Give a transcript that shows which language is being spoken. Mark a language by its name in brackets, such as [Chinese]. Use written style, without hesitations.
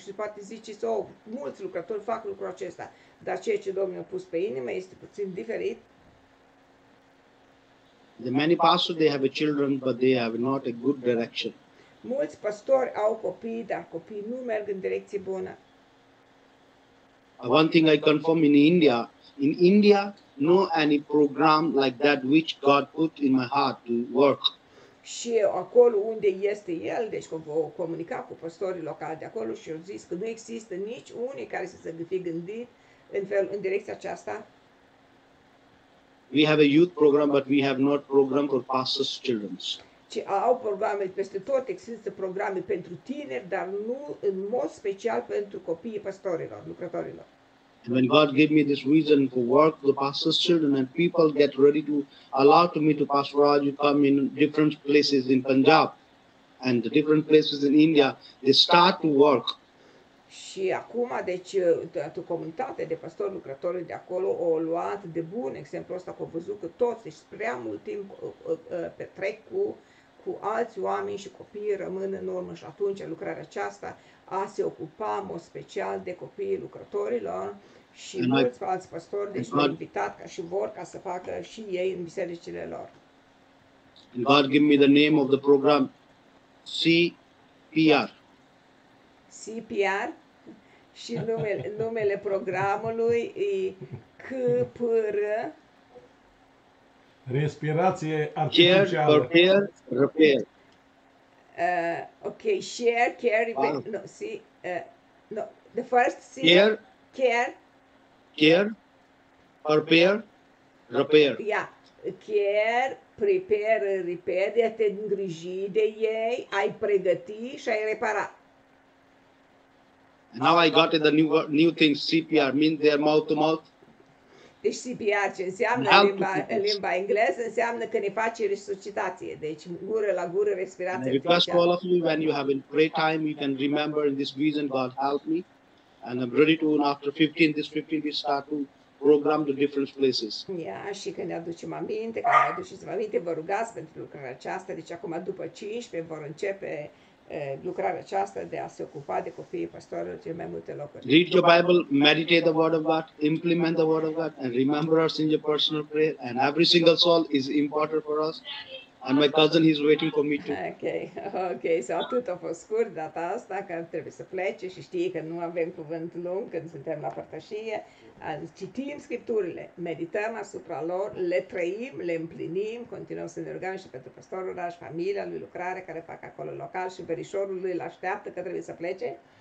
[Romanian] Și poate ziceți, mulți lucrători fac lucrul acesta, dar ceea ce Domnul a pus pe inimă este puțin diferit. [English] The many pastors, they have a children, but they have not a good direction. [Romanian] Mulți pastori au copii, dar copiii nu merg în direcție bună. [English] One thing I confirm in India, no any program like that which God put in my heart to work. [Romanian] Și acolo unde este el, deci vă comunica cu pastorii locali de acolo și au zis că nu există nici unii care să se fie gândit în direcția aceasta. [English] We have a youth program, but we have not program for pastors' children. [Romanian] Ci au programe peste tot, există programe pentru tineri, dar nu în mod special pentru copiii pastorilor, lucrătorilor. [English] And when God gave me this reason to work the pastors' children and people get ready to allow to me to Pastor Raj, you come in different places in Punjab and the different places in India, they start to work. [Romanian] Și acum, deci, o comunitate de pastori lucrători de acolo o luat de bun exemplu ăsta, că au văzut că toți, deci prea mult timp petrec cu alți oameni și copiii rămân în urmă și atunci lucrarea aceasta a se ocupa în mod special de copiii lucrătorilor și mulți alți pastori, deci l-au invitat ca și vor ca să facă și ei în bisericile lor. [English] God give me the name of the program, CPR. [Romanian] CPR și numele programului e CPR. Respirație artificială. [English] Care, repair. Okay, share, care, repair. Ah. No, see. No, the first C. Care, repair. Yeah, care, prepare, repair. [Romanian] De a te îngriji de ei, ai pregăti și ai repara. [English] Now I got it, the new thing, CPR, means they are mouth-to-mouth. [Romanian] Deci CPR, ce înseamnă limba engleză, înseamnă că ne face resuscitație. Deci gură la gură, respirație. [English] And I request all of you, when you have in prayer time, you can remember in this vision, God help me. And I'm ready to, after 15, this 15, we start to program the different places. [Romanian] Yeah, și când ne aducem aminte, când ne aduceți aminte, vă rugați pentru lucrarea aceasta. Deci acum, după 15, vor începe lucrarea aceasta de a se ocupa de copiii pastorilor în mai multe locuri. [English] Read your Bible, meditate the word of God, implement the word of God and remember us in your personal prayer and every single soul is important for us and my cousin is waiting for me too. [Romanian] Okay, so atât a fost scurt data asta că trebuie să plece și știi că nu avem cuvânt lung când suntem la părtășie. Citim scripturile, medităm asupra lor, le trăim, le împlinim, continuăm să ne rugăm și pentru pastorul oraș, familia lui, lucrare care fac acolo local și verișorul lui îl așteaptă că trebuie să plece.